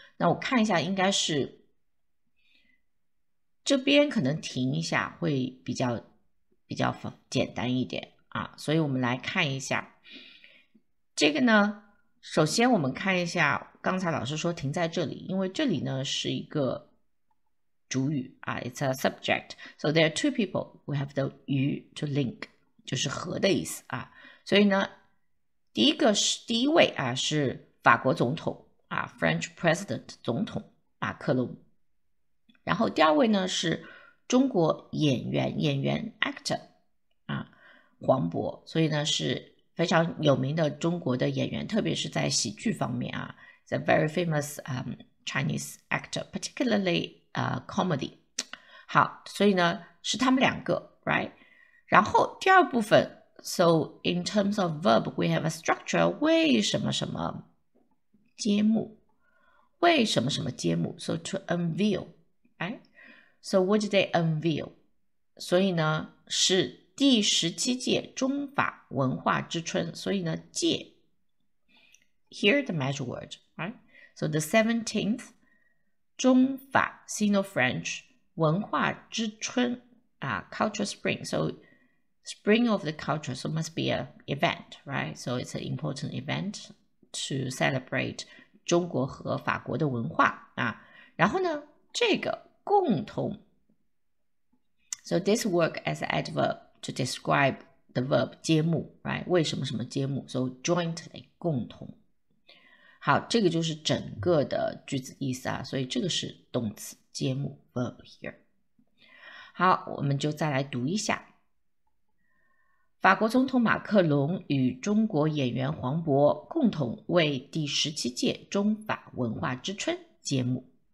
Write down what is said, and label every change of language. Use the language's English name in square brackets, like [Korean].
[Chinese] 那我看一下，应该是这边可能停一下会比较简单一点啊。所以我们来看一下这个呢，首先我们看一下刚才老师说停在这里，因为这里呢是一个主语啊 ， [English] it's a subject. So there are two people. We have the 与 to link， [Chinese] 就是和的意思啊。所以呢，第一位啊是法国总统啊 ，French President 总统马克龙。然后第二位呢是中国演员 actor 啊黄渤，所以呢是非常有名的中国的演员，特别是在喜剧方面啊。 [English] The very famous Chinese actor, particularly comedy. [Chinese] 好，所以呢是他们两个 ， [English] right? [Chinese] 然后第二部分 [English] ，so in terms of verb, we have a structure. [Chinese] 为什么什么揭幕？为什么什么揭幕 ？ [English] So to unveil, right? So what did they unveil? [Chinese] 所以呢是第17届中法文化之春。所以呢揭。 [English] Here the magic word, right? So the 17th 中法 Sino-French 文化之春啊 ，Culture Spring. So Spring of the Culture, so must be an event, right? So it's an important event to celebrate [Chinese] 中国和法国的文化啊。然后呢，这个共同 [English] ，So this work as an adverb to describe the verb 揭幕 ，right? [Chinese] 为什么什么揭幕 ？ [English] So jointly [Chinese] 共同。好，这个就是整个的句子意思啊，所以这个是动词揭幕 [English] verb here。 [Chinese] 好，我们就再来读一下。法国总统马克龙与中国演员黄渤共同为第17届中法文化之春揭幕。